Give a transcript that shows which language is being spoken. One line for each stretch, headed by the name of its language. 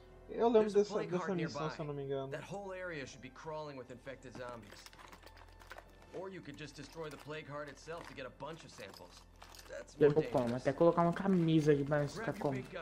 Portuguese: Eu lembro dessa missão, se eu não me engano.
English: That whole area should be crawling with infected zombies. Or you could just destroy the plague heart itself to get a bunch of samples.
Portuguese: Eu vou pôr, até colocar uma camisa aqui pra não ficar com.